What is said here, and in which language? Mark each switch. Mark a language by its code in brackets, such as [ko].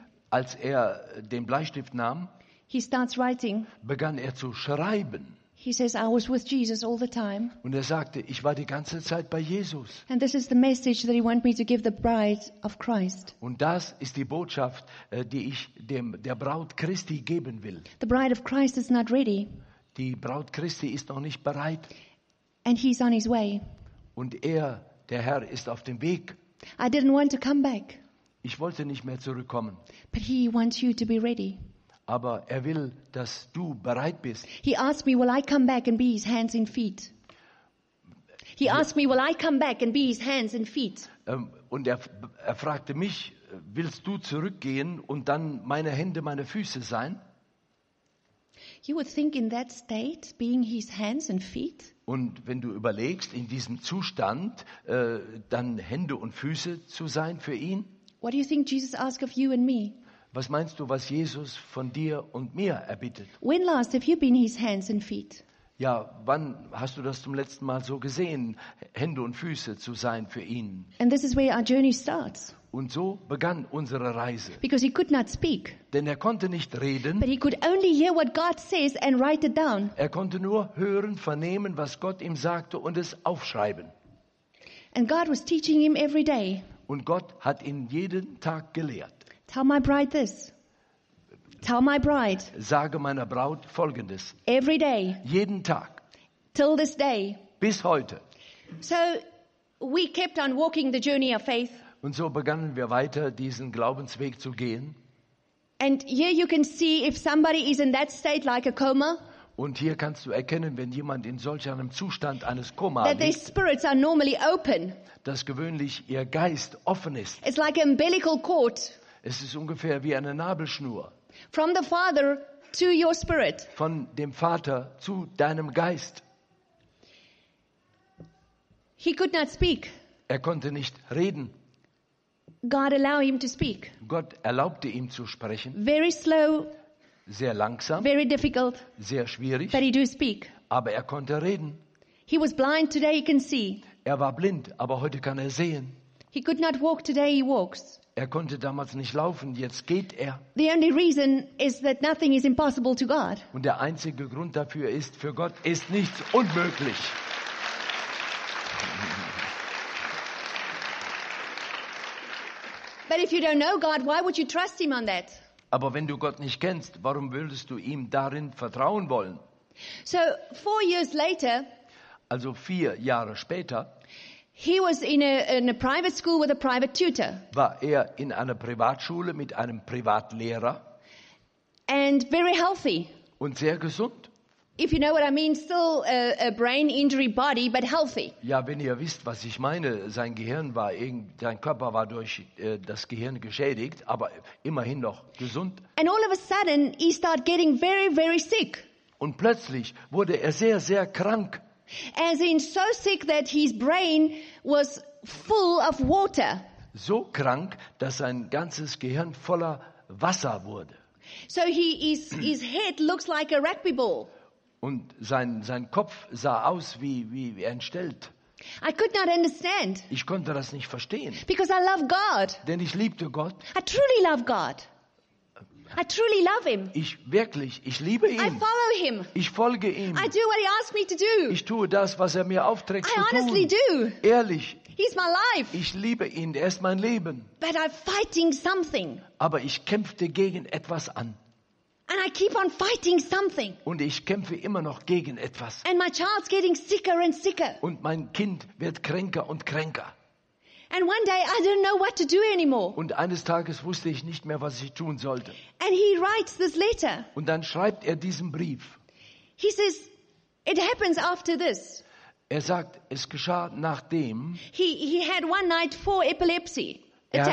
[de] als er den Bleistift nahm, [en] he starts writing. [de] Begann er zu schreiben. [en] He says, I was with Jesus all the time. [de] Und er sagte, ich war die ganze Zeit bei Jesus. [en] And this is the message that he wants me to give the bride of Christ. [de] Und das ist die Botschaft, die ich dem der Braut Christi geben will. [en] The bride of Christ is not ready. [de] Die Braut Christi ist noch nicht bereit. [en] And he's on his way. [de] Und er, der Herr, ist auf dem Weg. [en] I didn't want to come back. [de] Ich wollte nicht mehr zurückkommen. [en] But he wants you to be ready. [de] Aber er will, dass du bereit bist. [en] He asked me, will I come back and be his hands and feet? He asked me, will I come back and be his hands and feet? [de] Und er fragte mich, willst du zurückgehen und dann meine Hände, meine Füße sein? [en] You would think in that state, being his hands and feet? [de] Und wenn du überlegst, in diesem Zustand, dann Hände und Füße zu sein für ihn? [en] What do you think Jesus asked of you and me? [de] Was meinst du, was Jesus von dir und mir erbittet? [en] When last have you been his hands and feet? [de] Ja, wann hast du das zum letzten Mal so gesehen, Hände und Füße zu sein für ihn? [en] And this is where our journey starts. [de] Und so begann unsere Reise. [en] Because he could not speak. [de] Denn er konnte nicht reden. [en] But he could only hear what God says and write it down. [de] Er konnte nur hören, vernehmen, was Gott ihm sagte und es aufschreiben. [en] And God was teaching him every day. [de] Und Gott hat ihn jeden Tag gelehrt. [en] Tell my bride this. Tell my bride. [de] Sage meiner Braut Folgendes. [en] Every day. [de] Jeden Tag. [en] Till this day. [de] Bis heute. [en] So we kept on walking the journey of faith. [de] Und so begannen wir weiter, diesen Glaubensweg zu gehen. [en] And here you can see if somebody is in that state like a coma. [de] Und hier kannst du erkennen, wenn jemand in solch einem Zustand eines Koma [en] that their spirits are normally open. [de] Dass gewöhnlich ihr Geist offen ist. [en] It's like an umbilical cord. [de] Es ist ungefähr wie eine Nabelschnur. [en] From the Father to your spirit. [de] Von dem Vater zu deinem Geist. [en] He could not speak. [de] Er konnte nicht reden. [en] God allow him to speak. [de] Gott erlaubte ihm zu sprechen. [en] Very slow. [de] Sehr langsam. [en] Very difficult. [de] Sehr schwierig. [en] But he do speak. [de] Aber er konnte reden. [en] He was blind, today he can see. [de] Er war blind, aber heute kann er sehen. [en] He could not walk, today he walks. [de] Er konnte damals nicht laufen, jetzt geht er. [en] The only reason is that nothing is impossible to God. [de] Und der einzige Grund dafür ist, für Gott ist nichts unmöglich. [en] But if you don't know God, why would you trust him on that? [de] Aber wenn du Gott nicht kennst, warum würdest du ihm darin vertrauen wollen? [en] So 4 years later, [de] also 4 Jahre später, [en] he was in a private school with a private tutor. [de] War er in einer Privatschule mit einem Privatlehrer? [en] And very healthy. [de] Und sehr gesund. [en] If you know what I mean, still a brain injury body, but healthy. [de] Ja, wenn ihr wisst, was ich meine, sein Körper war durch das Gehirn geschädigt, aber immerhin noch gesund. [en] And all of a sudden, he started getting very, very sick. [de] Und plötzlich wurde er sehr, sehr krank. [en] As in so sick that his brain was full of water. [de] So krank, dass sein ganzes Gehirn voller Wasser wurde. [en] So his head looks like a rugby ball. [de] Und sein Kopf sah aus wie entstellt. [en] I could not understand. [de] Ich konnte das nicht verstehen. [en] Because I love God. [de] Denn ich liebte Gott. [en] I truly love God. I truly love him. [de] Ich liebe ihn. [en] I follow him. [de] Ich folge ihm. [en] I do what he asked me to do. [de] Ich tue das, was er mir aufträgt zu tun. [en] I honestly do. [de] Ehrlich. [en] He's my life. [de] Ich liebe ihn. Er ist mein Leben. [en] But I'm fighting something. [de] Aber ich kämpfte gegen etwas an. [en] And I keep on fighting something. [de] Und ich kämpfe immer noch gegen etwas. [en] And my child's getting sicker and sicker. [de] Und mein Kind wird kränker und kränker. [en] And one day I didn't know what to do anymore. [de] Und eines Tages wusste ich nicht mehr, was ich tun sollte. [en] And he writes this letter. [de] Und dann schreibt er diesen Brief. [en] He says, it happens after this. [de] Er sagt, es geschah nachdem. [en] He had one night 4 epilepsy attacks.